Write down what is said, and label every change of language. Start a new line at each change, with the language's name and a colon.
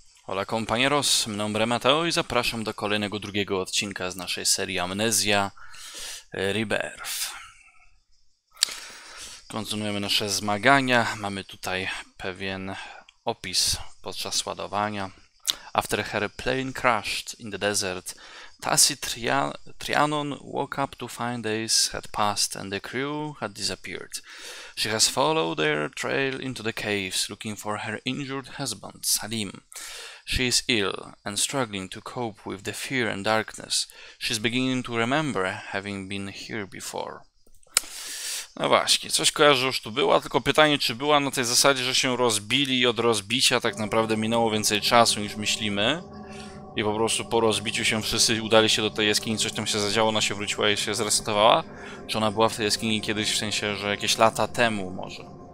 Spanish: Hola compañeros, mi nombre es Mateo
Polish: i zapraszam do kolejnego drugiego odcinka z naszej serii Amnesia Rebirth. Kontynuujemy nasze zmagania. Mamy tutaj pewien opis podczas ładowania.
English: After her plane crashed in the desert, Tassi Trianon woke up to find days had passed and the crew had disappeared. She has followed their trail into the caves looking for her injured husband, Salim. She is ill and struggling to cope with the fear and darkness. She is beginning to remember having been here before.
Polish: No właśnie, coś kojarzę, już tu była, tylko pytanie, czy była na tej zasadzie, że się rozbili i od rozbicia tak naprawdę minęło więcej czasu niż myślimy. I po prostu po rozbiciu się wszyscy udali się do tej jaskini, coś tam się zadziało, ona się wróciła i się zresetowała. Czy ona była w tej jaskini kiedyś, w sensie, że jakieś lata temu może.